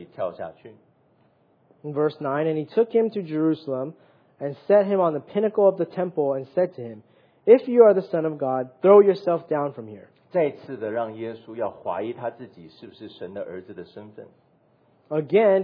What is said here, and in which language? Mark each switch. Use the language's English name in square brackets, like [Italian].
[Chinese] 魔鬼又领他到耶路撒冷去,叫他站在殿顶上,然后对他说,你若是神的儿子,你可以从这里跳下去。 [English] Verse 9, and he took him to Jerusalem and set him on the pinnacle of the temple and said to him, if you are the Son of God, throw yourself down from here. [Chinese] 再次的让耶稣要怀疑他自己是不是神的儿子的身份。 [English] Again,